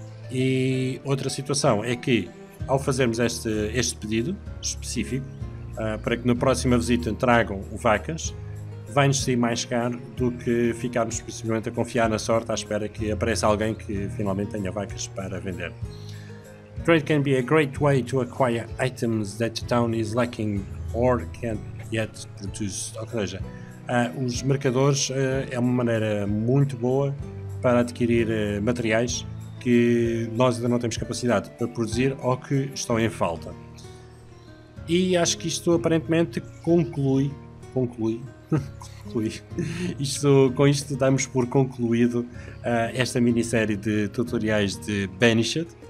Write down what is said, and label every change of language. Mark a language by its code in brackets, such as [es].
[pt] E outra situação é que, ao fazermos este pedido específico, para que na próxima visita tragam vacas, vai-nos sair mais caro do que ficarmos possivelmente a confiar na sorte à espera que apareça alguém que finalmente tenha vacas para vender. [en] Trade can be a great way to acquire items that the town is lacking or can't yet produce. [pt] Ou seja, os mercadores é uma maneira muito boa para adquirir materiais que nós ainda não temos capacidade para produzir ou que estão em falta. E acho que isto aparentemente conclui. Com isto damos por concluído esta minissérie de tutoriais de Banished.